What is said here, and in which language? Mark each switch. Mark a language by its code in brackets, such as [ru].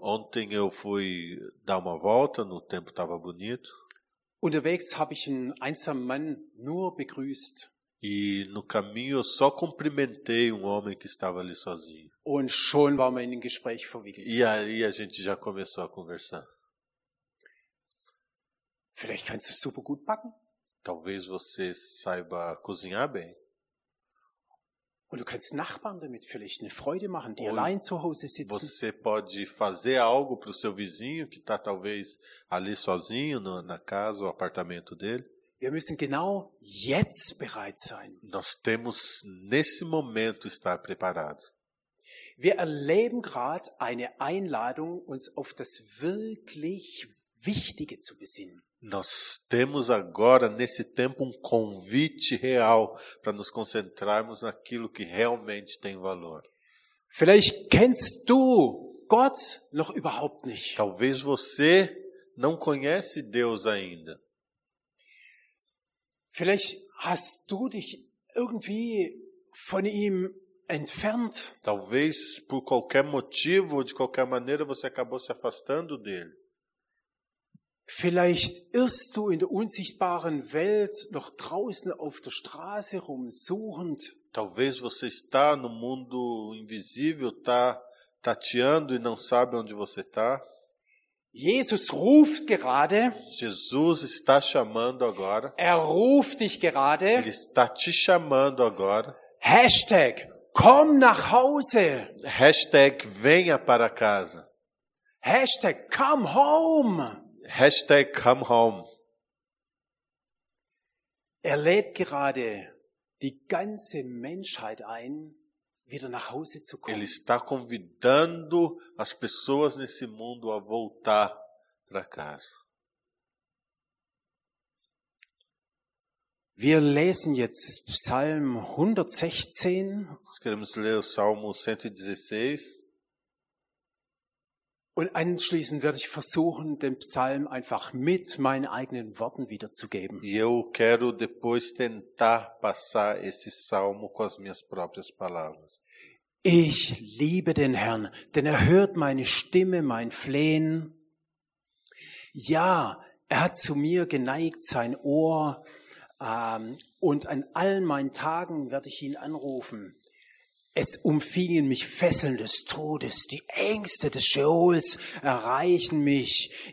[pt] Ontem eu fui dar uma volta, no tempo estava bonito. [de] Unterwegs habe ich einen einsamen Mann nur begrüßt. [pt] E no caminho eu só cumprimentei um homem que estava ali sozinho. [de] Und schon war man in ein Gespräch verwickelt. [pt] E aí a gente já começou a conversar. [de] Vielleicht kannst du super gut backen. [pt] Talvez você saiba cozinhar bem. [de] Und du kannst Nachbarn damit vielleicht eine Freude machen, die allein zu Hause sitzen. [pt] Você pode fazer algo pro seu vizinho que está talvez ali sozinho na casa ou apartamento dele. [de] Wir müssen genau jetzt bereit sein. [pt] Nós temos nesse momento estar preparado. [de] Wir erleben gerade eine Einladung, uns auf das wirklich Wichtige zu besinnen. [pt] Nós temos agora nesse tempo convite real para nos concentrarmos naquilo que realmente tem valor. [de] Vielleicht kennst du Gott noch überhaupt nicht. [pt] Talvez você não conhece Deus ainda. [de] Vielleicht hast du dich irgendwie von ihm entfernt. [pt] Talvez por qualquer motivo ou de qualquer maneira você acabou se afastando dele. [de] Vielleicht irrst du in der unsichtbaren Welt noch draußen auf der Straße rum suchend. [pt] Talvez você está no mundo invisível, está tateando e não sabe onde você está. [de] Jesus ruft gerade. [pt] Jesus está chamando agora. [de] Er ruft dich gerade. [pt] Ele está te chamando agora. [de] Hashtag, komm nach Hause. [pt] Hashtag, venha para casa. [en] Hashtag, come home. Hashtag, come home. [de] Er lädt gerade die ganze Menschheit ein, wieder nach Hause zu kommen. [pt] Ele está convidando as pessoas nesse mundo a voltar para casa. [de] Wir lesen jetzt Psalm 116. [pt] Nós queremos ler o Salmo 116. [de] Und anschließend werde ich versuchen, den Psalm einfach mit meinen eigenen Worten wiederzugeben. [pt] E eu quero depois tentar passar esse salmo com as minhas próprias palavras. [de] Ich liebe den Herrn, denn er hört meine Stimme, mein Flehen. Ja, er hat zu mir geneigt sein Ohr, und an allen meinen Tagen werde ich ihn anrufen. Es umfingen mich Fesseln des Todes, die Ängste des Scheols erreichen mich.